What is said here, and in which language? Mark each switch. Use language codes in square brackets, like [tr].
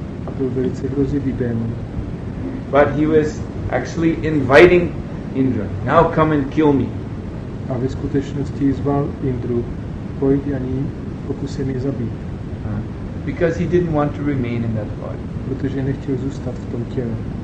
[cs] A byl velice hrozivý démon. [en] But he was actually inviting Indra. Now come and kill me. [cs] A ve skutečnosti zval Indru, pojď a ní, pokus se mě zabít. [en] Because he didn't want to remain in that body. [cs] Protože nechtěl zůstat v tom těle.